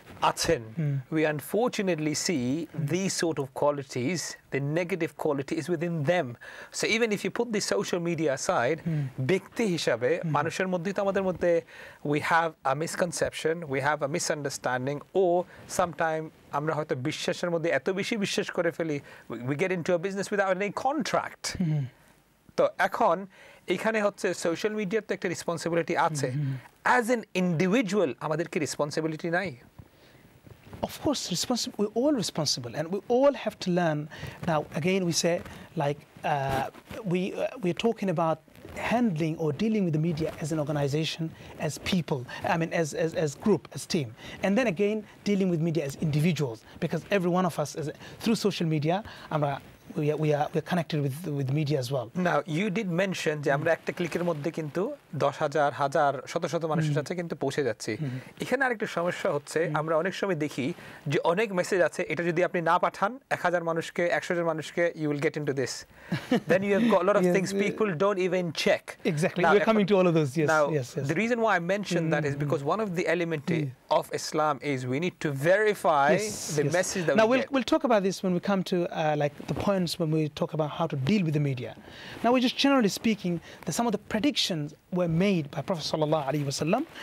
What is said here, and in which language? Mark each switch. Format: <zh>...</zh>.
<en>আছেন we unfortunately see this sort of qualities the negative quality is within them so even if you put the social media side</en> <bn>ব্যক্তি হিসাবে মানুষের মধ্যে তো আমাদের মধ্যে</bn> <en>we have a misconception we have a misunderstanding</en> <bn>O sometime আমরা হয়তো বিশ্বাসের মধ্যে এত বেশি বিশ্বাস করে ফেলি</bn> <en>we get into a business without any contract</en> <bn>তো এখন এখানে হচ্ছে সোশ্যাল মিডিয়ার তো একটা রেসপন্সিবিলিটি আছে অ্যাজ এন ইন্ডিভিজুয়াল আমাদের কি রেসপন্সিবিলিটি নাই</bn> <en>Of course, responsible. We're all responsible, and we all have to learn. Now, again, we say, like, we are talking about handling or dealing with the media as an organization, as people. I mean, as group, as team, and then again, dealing with media as individuals, because every one of us is through social media. We are connected with media as well. Now, you did mention</en> <bn>যে আমরা একটা ক্লিকের মধ্যে কিন্তু 10,000 হাজার শত শত মানুষের কাছে কিন্তু পৌঁছে যাচ্ছি এখানে আরেকটা সমস্যা হচ্ছে আমরা অনেক সময় দেখি যে অনেক মেসেজ আছে এটা যদি আপনি না পাঠান 1,000 মানুষকে 100 জন মানুষকে</bn> <en>You will get into this then you have got lot of things people don't even check exactly you are coming to all of those yes yes the reason why I mention that is because one of the element of Islam is we need to verify the message that now will talk about this when we come to like the points when we talk about how to deal with the media. Now we're just generally speaking that some of the predictions were made by Prophet sallallahu alaihi wasallam.</en>